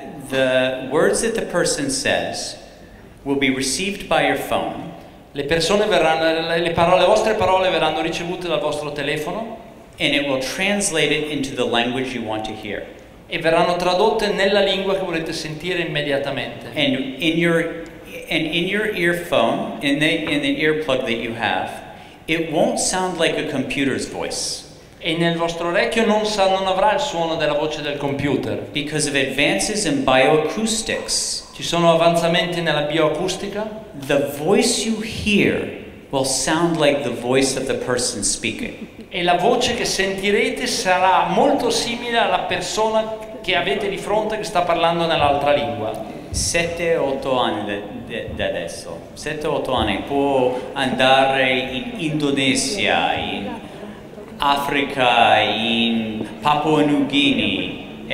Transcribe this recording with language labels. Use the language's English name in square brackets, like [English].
[English] the words that the person says will be received by your phone. [Italian] Le persone verranno, le vostre parole verranno ricevute dal vostro telefono. [English] And it will translate it into the language you want to hear. [Italian] E verranno tradotte nella lingua che volete sentire immediatamente. [English] And in your earphone, in the earplug that you have, it won't sound like a computer's voice. [Italian] E nel vostro orecchio non avrà il suono della voce del computer. [English] Because of advances in bioacoustics. [Italian] Ci sono avanzamenti nella bioacustica. [English] The voice you hear will sound like the voice of the person speaking. [Italian] E la voce che sentirete sarà molto simile alla persona che avete di fronte che sta parlando nell'altra lingua. 7-8 anni da adesso. 7-8 anni può andare in Indonesia, in Africa, in Papua New Guinea.